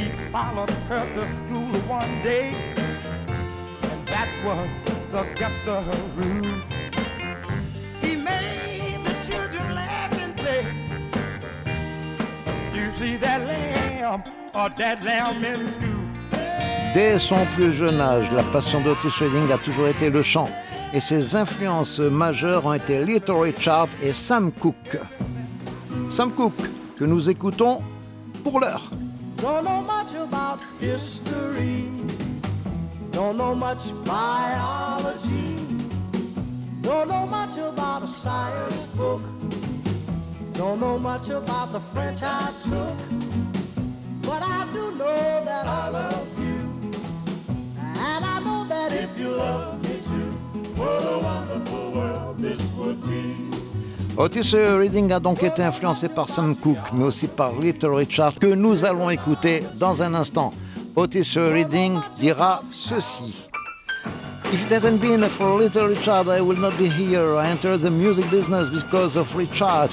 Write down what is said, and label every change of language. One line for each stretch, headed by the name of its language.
English: Followed her to school one day, and that was against the rule. He made the children laugh and say, "You see that lamb, or that lamb in school?"
French: Dès son plus jeune âge, la passion de Otis Redding a toujours été le chant, et ses influences majeures ont été Little Richard et Sam Cooke. Sam Cooke, que nous écoutons pour l'heure.
English: Don't know much about history, don't know much biology, don't know much about a science book, don't know much about the French I took, but I do know that I love you, and I know that if you love me too, what a wonderful world this would be.
French: Otis Redding a donc été influencé par Sam Cooke, mais aussi par Little Richard, que nous allons écouter dans un instant. Otis Redding dira ceci.
English: If it hadn't been for Little Richard, I would not be here. I entered the music business because of Richard.